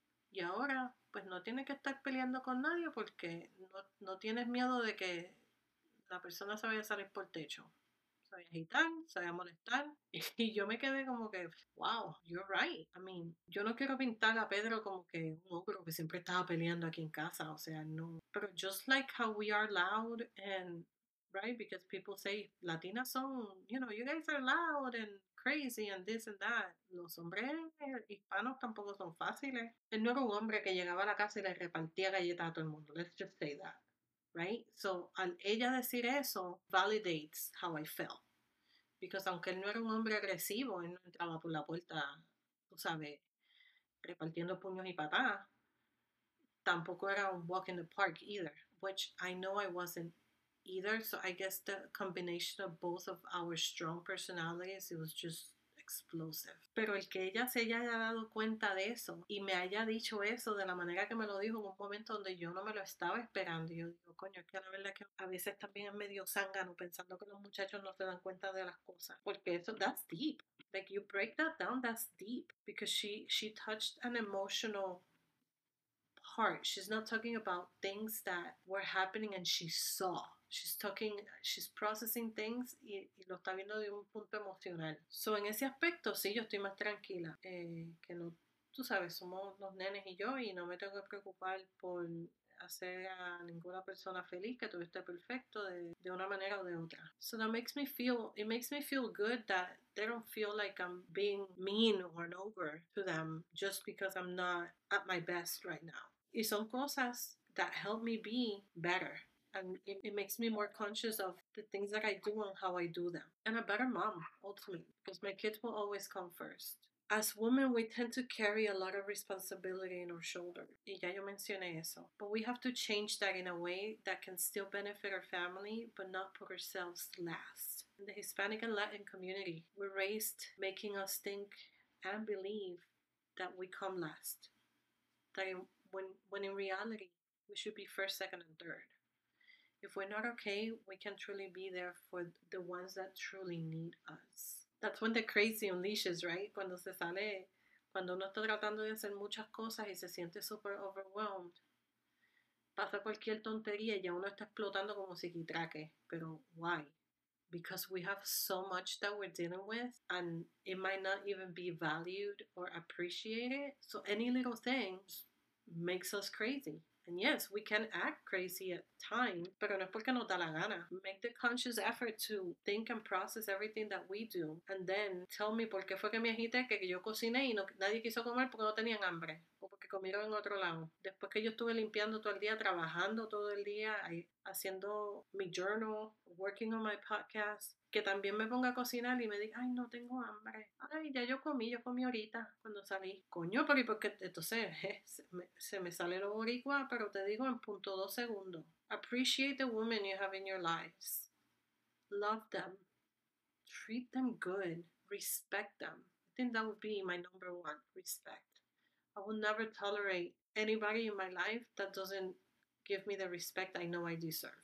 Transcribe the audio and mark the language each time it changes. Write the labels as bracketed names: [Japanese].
[Spanish] Y ahora, pues, no tienes que estar peleando con nadie porque no tienes miedo de que la persona se vaya a salir por techo. Se vaya a agitar, se vaya a molestar. Y yo me quedé como que, [English] wow, you're right. I mean, [Spanish] yo no quiero pintar a Pedro como que un ogro que siempre estaba peleando aquí en casa. O sea, no. [English] Pero just like how we are loud and... Right, because people say Latinas son, you know, you guys are loud and crazy and this and that. [Spanish] Los hombres hispanos tampoco son fáciles. Él no era un hombre que llegaba a la casa y le repartía galletas a todo el mundo. [English] Let's just say that, right? So, [Spanish] al ella decir eso, [English] validates how I felt. Because [Spanish] aunque él no era un hombre agresivo, él no entraba por la puerta, tú sabes, repartiendo puños y patadas. Tampoco era un [English] walk in the park either, which I know I wasn't. Either, so I guess the combination of both of our strong personalities, it was just explosive. [Spanish] Pero el que ella se haya dado cuenta de eso y me haya dicho eso de la manera que me lo dijo en un momento donde yo no me lo estaba esperando, yo digo, coño, es que la verdad que a veces también es medio zángano pensando que los muchachos no se dan cuenta de las cosas. Porque eso, [English] that's deep. Like, you break that down, that's deep. Because she touched an emotional part. She's not talking about things that were happening and she saw. She's processing things [Spanish] y lo está viendo de un punto emocional. So, en ese aspecto, sí, yo estoy más tranquila. Que no, tú sabes, somos los nenes y yo y no me tengo que preocupar por hacer a ninguna persona feliz, que todo esté perfecto de una manera o de otra. [English] So, it makes me feel good that they don't feel like I'm being mean or an ogre to them just because I'm not at my best right now. [Spanish] Y son cosas [English] that help me be better. And it makes me more conscious of the things that I do and how I do them. And a better mom, ultimately, because my kids will always come first. As women, we tend to carry a lot of responsibility in our shoulders. [Spanish] Y ya yo mencioné eso. [English] But we have to change that in a way that can still benefit our family, but not put ourselves last. In the Hispanic and Latin community, we're raised making us think and believe that we come last. That when in reality, we should be first, second, and third. If we're not okay, we can truly be there for the ones that truly need us. That's when the crazy unleashes, right? [Spanish] Cuando se sale, cuando uno está tratando de hacer muchas cosas y se siente [English] super overwhelmed. [Spanish] Pasa cualquier tontería y ya uno está explotando como psiquitraque. Pero [English] why? Because we have so much that we're dealing with and it might not even be valued or appreciated. So any little thing makes us crazy. And yes, we can act crazy at times, [Spanish] pero no es porque nos da la gana. [English] Make the conscious effort to think and process everything that we do. And then tell me [Spanish] por qué fue que me agité, que yo cociné y no, nadie quiso comer porque no tenían hambre. O porque comieron en otro lado. Después que yo estuve limpiando todo el día, trabajando todo el día, haciendo mi journal, [English] working on my podcast. [Spanish] Que también me ponga a cocinar y me diga, ay, no tengo hambre. Ay, ya yo comí ahorita cuando salí. Coño, pero ¿y por qué? Entonces, se me sale lo boricua, pero te digo en punto 2 segundos. [English] Appreciate the women you have in your lives. Love them. Treat them good. Respect them. I think that would be my number one, respect. I will never tolerate anybody in my life that doesn't give me the respect I know I deserve.